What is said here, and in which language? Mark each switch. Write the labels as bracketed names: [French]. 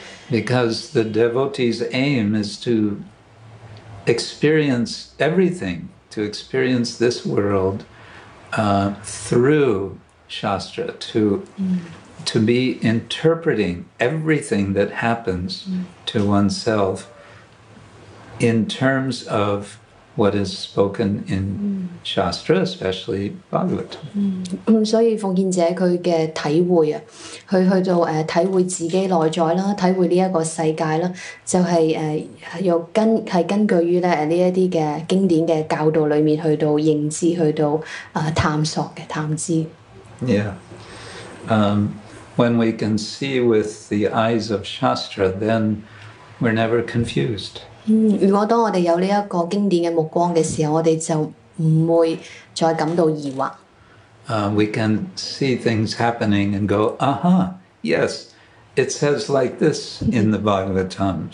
[English] Because the devotee's aim is to experience everything, to experience this world through shastra, to be interpreting everything that happens to oneself in terms of what is spoken in shastra, especially Bhagavatam. [Cantonese] 所以奉獻者佢嘅體會啊，佢去到體會自己內在啦，體會呢一個世界啦，就係又根據於咧呢一啲嘅經典嘅教導裡面去到認知，去到探索嘅探知。 [English] Yeah. When we can see with the eyes of shastra, then we're never confused. [Cantonese] 如果當我哋有呢一個經典嘅目光嘅時候，我哋就唔會再感到疑惑。 [English] We can see things happening and go, yes, it says like this in the Bhagavatam.